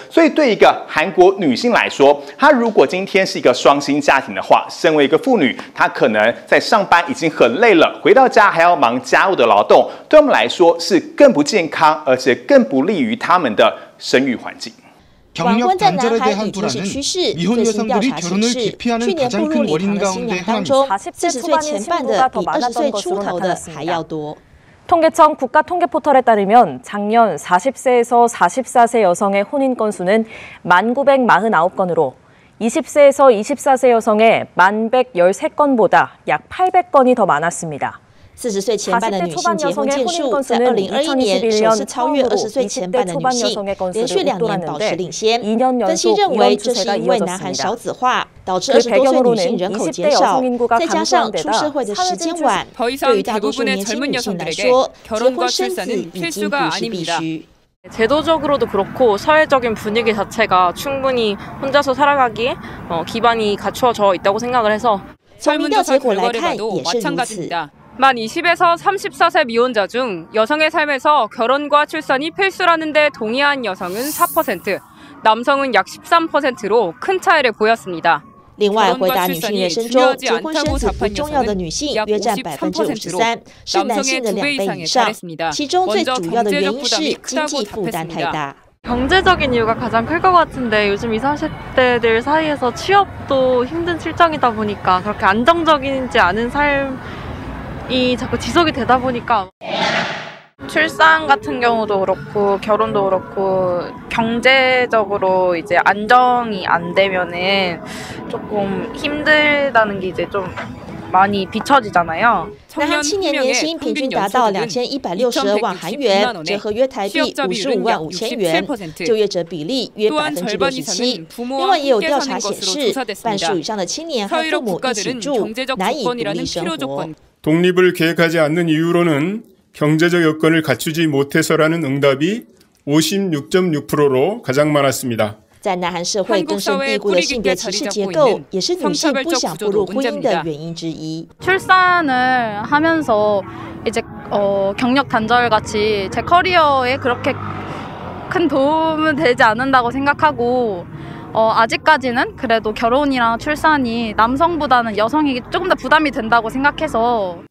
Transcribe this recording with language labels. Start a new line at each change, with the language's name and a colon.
Chinese: 所以对一个韩国女性来说，她如果今天是一个双薪家庭的话，身为一个妇女，她可能在上班已经很累了，回到家还要忙家务的劳动，对我们来说是更不健康，而且更不利于她们的生育环境。晚婚在男孩女就是趋势。最新调查显示，去年步入离婚的新娘当中，40岁前半的比20岁出头的还要多。
Korean: 통계청 국가통계포털에 따르면 작년 40세에서 44세 여성의 혼인 건수는 1,949건으로 20세에서 24세 여성의 1,113건보다 약 800건이 더 많았습니다.
Chinese: 40岁前半的女性结婚件数在2021年首次超越20岁前半的女性，连续两年保持领先。分析认为，这是因为南韩少子化导致20多岁女性人口减少，再加上出社会的时间晚，对于大多数年轻女性来说，结婚生子已经不是必须。
Korean: 제도적으로도그렇고사회적인분위기자체가충분히혼자서살아가기에기반이갖추어져있다고생각을해서
Chinese: 从民调结果来看，也是如此。
Korean: 만20에서34세미혼자중여성의삶에서결혼과출산이필수라는데동의한여성은 4%, 남성은약 13% 로큰차이를보였습니다
Chinese: 另外回答女性人生中结婚生子不重要的女性约占 53%， 是男性的2倍以上，其中最主要的原因是经济负担太大。
Korean: 경제적인이유가가장클것같은데요즘 20~30대들사이에서취업도힘든실정이다보니까그렇게안정적인지않은삶이자꾸지속이되다보니까출산같은경우도그렇고결혼도그렇고경제적으로이제안정이안되면은조금힘들다는게이제좀많이비춰지잖아요
Chinese: 南韩青年年薪平均达到2162万韩元，折合约台币555,000元，就业者比例约67%。另外，也有调查显示，半数以上的青年和父母一起住，难以独立生活。
Korean: 독립을계획하지않는이유로는경제적여건을갖추지못해서라는응답이 56.6% 로가장많았습니다
Chinese: 在南韩社会根深蒂固的性别歧视结构，也是女性不想步入婚姻的原因之一。
Korean: 출산을하면서이제경력단절같이제커리어에그렇게큰도움은되지않는다고생각하고아직까지는그래도결혼이랑출산이남성보다는여성에게조금더부담이된다고생각해서